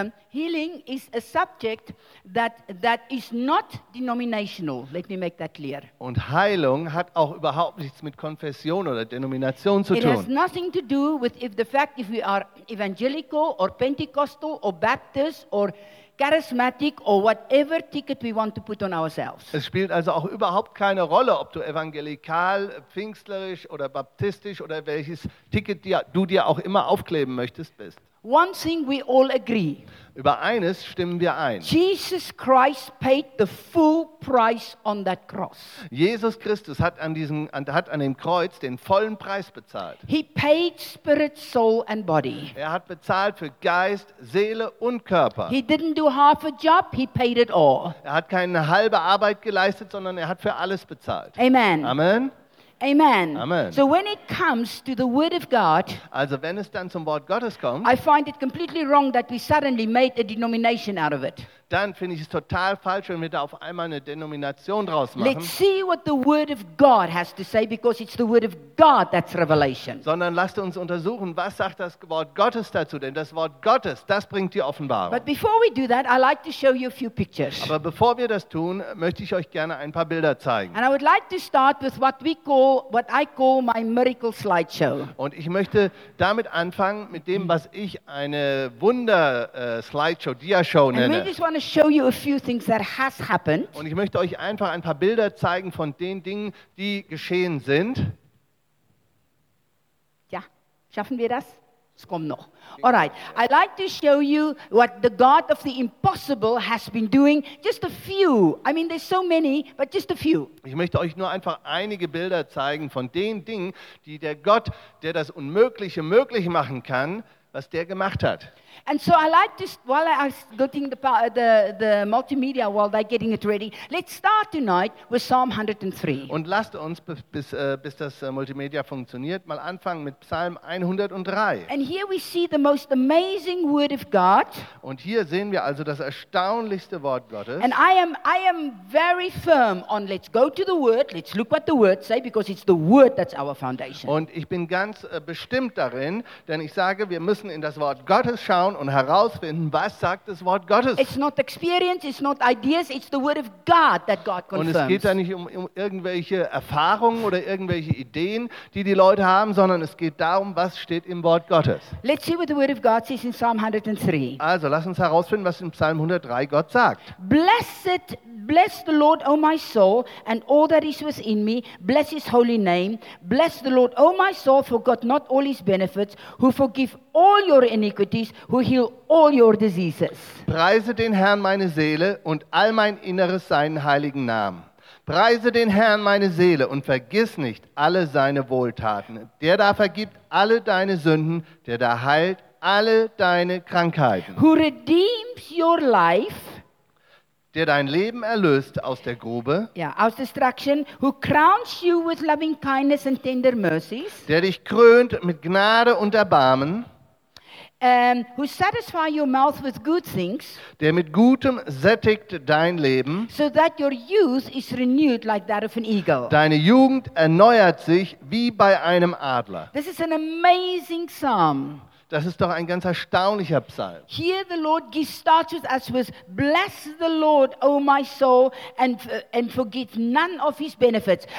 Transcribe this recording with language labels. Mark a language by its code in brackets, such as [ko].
[en] Healing is a subject that is not denominational. Let me make that clear. [de] Und Heilung hat auch überhaupt nichts mit Konfession oder Denomination zu tun. [en] It has nothing to do with if we are evangelical or Pentecostal or Baptist or charismatic or whatever ticket we want to put on ourselves. [de] Es spielt also auch überhaupt keine Rolle, ob du evangelikal, pfingstlerisch oder baptistisch oder welches Ticket du dir auch immer aufkleben möchtest bist. [en] One thing we all agree. [de] Über eines stimmen wir ein. [en] Jesus Christ paid the full price on that cross. [de] Jesus Christus hat an dem Kreuz den vollen Preis bezahlt. [en] He paid spirit, soul and body. [de] Er hat bezahlt für Geist, Seele und Körper. [en] He didn't do half a job, he paid it all. [de] Er hat keine halbe Arbeit geleistet, sondern er hat für alles bezahlt. Amen. Amen. Amen. Amen. [en] So when it comes to the word of God, [de] also wenn es dann zum Wort Gottes kommt, [en] I find it completely wrong that we suddenly made a denomination out of it. [de] Dann finde ich es total falsch, wenn wir da auf einmal eine Denomination draus machen. [en] Let's see what the word of God has to say, because it's the word of God that's revelation. [de] Sondern lasst uns untersuchen, was sagt das Wort Gottes dazu, denn das Wort Gottes, das bringt die Offenbarung. [en] But before we do that, I like to show you a few pictures. [de] Aber bevor wir das tun, möchte ich euch gerne ein paar Bilder zeigen. [en] And I would like to start with what I call my miracle slideshow. [de] Und ich möchte damit anfangen mit dem, was ich eine Wunder Slideshow, Diashow nenne. [en] To show you a few things that has happened. [de] Und ich möchte euch einfach ein paar Bilder zeigen von den Dingen, die geschehen sind. Ja, schaffen wir das? Es kommt noch. All right. [en] I'd like to show you what the God of the impossible has been doing. Just a few. I mean, there's so many, but just a few. [de] Ich möchte euch nur einfach einige Bilder zeigen von den Dingen, die der Gott, der das Unmögliche möglich machen kann, was der gemacht hat. [en] And so I like to, while I'm getting the multimedia, while they're getting it ready, let's start tonight with Psalm 103. [de] Und lasst uns, bis das Multimedia funktioniert, mal anfangen mit Psalm 103. [en] And here we see the most amazing word of God. [de] Und hier sehen wir also das erstaunlichste Wort Gottes. [en] And I am very firm on let's go to the word, let's look what the word say, because it's the word that's our foundation. [de] Und ich bin ganz bestimmt darin, denn ich sage, wir müssen in das Wort Gottes schauen und herausfinden, was sagt das Wort Gottes. [en] It's not experience, it's not ideas, it's the word of God that God confirms. [de] Und es geht da nicht um irgendwelche Erfahrungen oder irgendwelche Ideen, die Leute haben, sondern es geht darum, was steht im Wort Gottes. [en] Let's see what the word of God says in Psalm 103. [de] Also, lass uns herausfinden, was in Psalm 103 Gott sagt. [en] Bless the Lord, O my soul, and all that is within me. Bless his holy name. Bless the Lord, O my soul, for God not all his benefits, who forgive all your iniquities, who heal all your diseases. [de] Preise den Herrn, meine Seele, und all mein Inneres seinen heiligen Namen. Preise den Herrn, meine Seele, und vergiss nicht alle seine Wohltaten. Der da vergibt alle deine Sünden, der da heilt alle deine Krankheiten. [en] Who redeems your life, [de] der dein Leben erlöst aus der Grube, [en] yeah, [de] aus [en] Destruction, who crowns you with loving kindness and tender mercies, [de] der dich krönt mit Gnade und Erbarmen, [en] who satisfy your mouth with good things, [de] der mit Gutem sättigt dein Leben, [en] so that your youth is renewed like that of an eagle. [de] Deine Jugend erneuert sich wie bei einem Adler. [en] This is an amazing psalm. [de] Das ist doch ein ganz erstaunlicher Psalm. [en] Here the Lord starts with us with bless the Lord, O my soul, and forget none of his benefits.